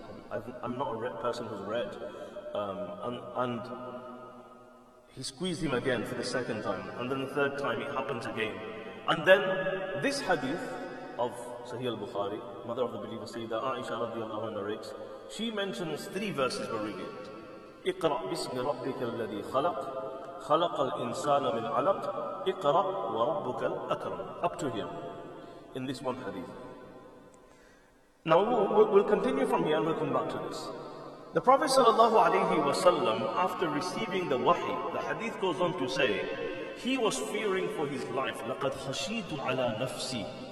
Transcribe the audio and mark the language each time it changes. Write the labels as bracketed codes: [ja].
[en] I'm not a person who's read. And he squeezed him again for the second time. And then the third time it happens again. And then this hadith of Sahih al-Bukhari, Mother of the Believer, Sayyida Aisha radiallahu anha narrates, she mentions 3 verses were revealed. [ar] Iqra bismi rabbika alladhi khalaq, خلق الإنسان من علق اقرأ وربك الأكرم. [en] Up to here in this one hadith. Now we'll continue from here and we'll come back to this. The Prophet sallallahu alayhi wa sallam, after receiving the wahi, the hadith goes on to say he was fearing for his life. [ar] لقد خشيت على نفسي.